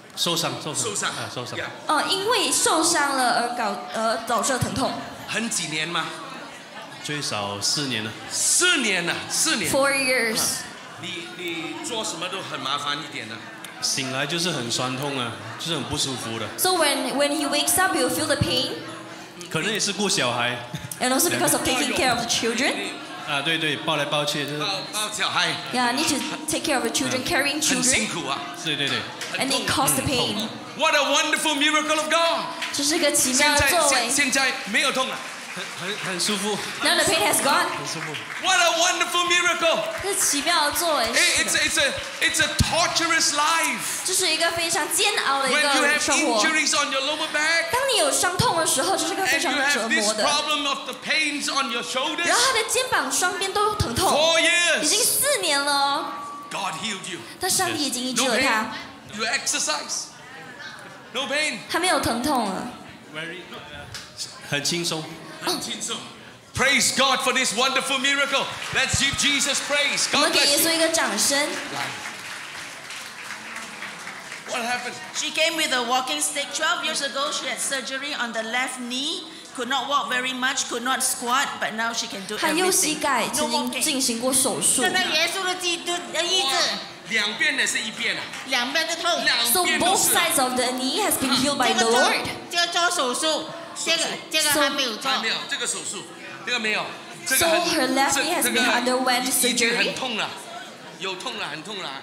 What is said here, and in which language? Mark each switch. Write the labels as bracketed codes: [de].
[zh] 受伤。因为受伤了而导致疼痛。很几年吗？最少四年了。四年。 [en] Four years。 [zh] 你做什么都很麻烦一点的。醒来就是很酸痛啊，就是很不舒服的。 [en] So when he wakes up, you feel the pain. [zh] 可能也是顾小孩。 [en] And also because of taking care of the children. [zh] 啊，对，抱来抱去就是。抱小孩。 [en] Yeah, need to take care of the children, carrying children. [zh] 很辛苦啊。对。 [en] And it caused the pain. What a wonderful miracle of God! [zh] 这是个奇妙的作为。现在没有痛了，很舒服。 [en] Now the pain has gone. [zh] 很舒服。 [en] What a wonderful miracle! [zh] 这是奇妙的作为。 [en] It's a torturous life. [zh] 这是一个非常煎熬的一个生活。 [en] When you have injuries on your lower back, [zh] 当你有伤痛的时候，这是个非常折磨的。 [en] And you have this problem of the pains on your shoulders. [zh] 然后他的肩膀双边都疼痛。 [en] Four years. [zh] 已经四年了。 [en] God healed you. [zh] 但上帝已经医治了他。 [en] You exercise. No pain. [zh] 他没有疼痛了。很轻松。 [en] Praise God for this wonderful miracle. Let's give Jesus praise. [zh] 我们给耶稣一个掌声。 [en] What happened? She came with a walking stick. 12 years ago, she had surgery on the left knee. Could not walk very much. Could not squat. But now she can do everything. [zh] 她右膝盖已经进行过手术。现在耶稣的基督的医治。两边的是一边啊，两边都痛。 [en] So both sides of the knee has been healed by the Lord. [zh] 这个做手术，这个还没有做。还没有这个手术，这个没有。 [en] So her left knee has been underwent surgery. [zh] 已经很痛了，有痛了，很痛了。